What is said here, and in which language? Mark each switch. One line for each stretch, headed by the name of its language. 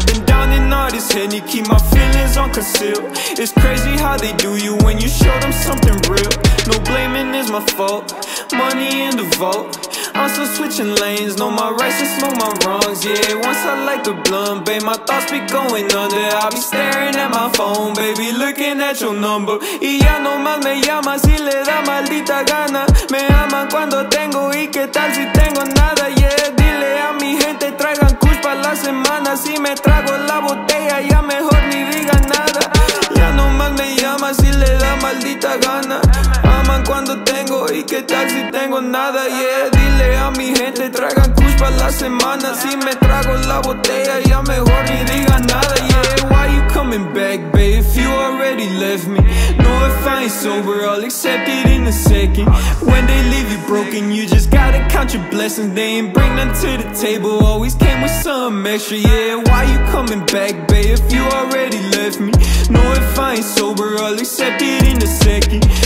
English: Been down in all this head, and you keep my feelings on conceal. It's crazy how they do you when you show them something real. No blaming is my fault, money in the vault. I'm still switching lanes, know my rights and smoke my wrongs. Yeah, once I light the blunt, babe, my thoughts be going under. I be staring at my phone, baby, looking at your number.
Spanish: Y ya no más me llama si le da maldita gana. Me aman cuando tengo y qué tal si tengo nada. Yeah, dile a mi gente, traigan kush pa' la semana. Si me trago la botella, ya mejor ni digan nada. Ya no más me llama si le da maldita gana. Aman cuando tengo y qué tal si tengo nada. Yeah, dile a mi gente, traigan kush pa' la semana. Si me trago la botella, ya mejor ni digan nada.
English: Yeah, why you coming back, babe, if you already left me? No, if I ain't sober, I'll accept it in a second. When they leave you broken, you just gotta count your blessings. They ain't bring none to the table, always came with some extra, yeah. Why you coming back, babe, if you already left me? No, if I ain't sober, I'll accept it in a second.